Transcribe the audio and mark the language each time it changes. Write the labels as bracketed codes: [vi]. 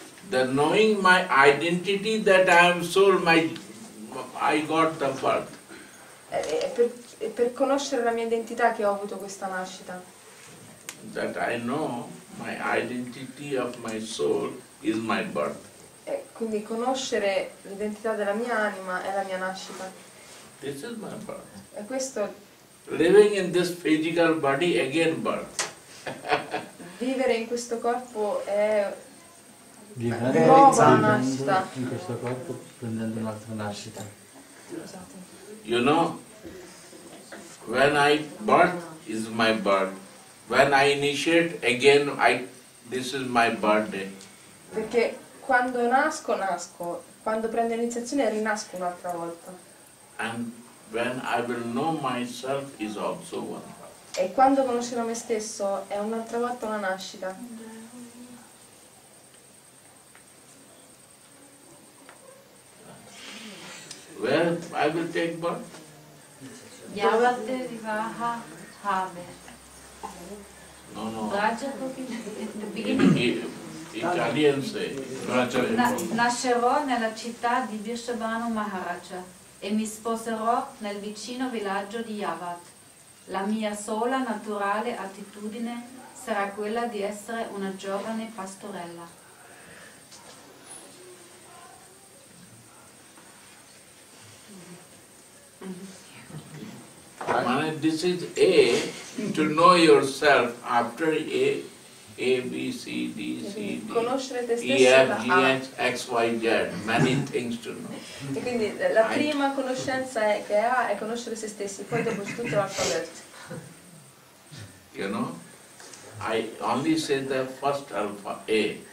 [en] The knowing my identity that I am soul, my I got the birth. [it] È per conoscere la mia identità che ho avuto questa nascita. [en] That I know my identity of my soul is my birth. [it] E quindi conoscere l'identità della mia anima è la mia nascita. [en] This is my birth. [it] E questo. [en] Living in this physical body again birth. [it] Vivere in questo corpo è nuova nascita. In questo corpo prendendo un'altra nascita. [en] You know, when I birth is my birth. When I initiate again, this is my birthday. Perché quando nasco, nasco. Quando prendo iniziazione, rinasco un'altra volta. And when I will know myself is also one. E quando conoscerò me stesso, è un'altra volta una nascita. Where I will take birth? Yavate Vivaha Have. No, no. Vraja Italian say. Vraja. [it] Nascerò nella città di Vrishabhanu Maharaja e mi sposerò nel vicino villaggio di Yavat. La mia sola naturale attitudine sarà quella di essere una giovane pastorella. [en] This is A, to know yourself after A, A, B, C, D, C, D, E, F, G, H, X, Y, Z, many things to know. [it] E quindi la prima conoscenza è che A è conoscere se stessi, poi dopo tutto l'alfabeto. [en] You know, I only said the first alpha, A.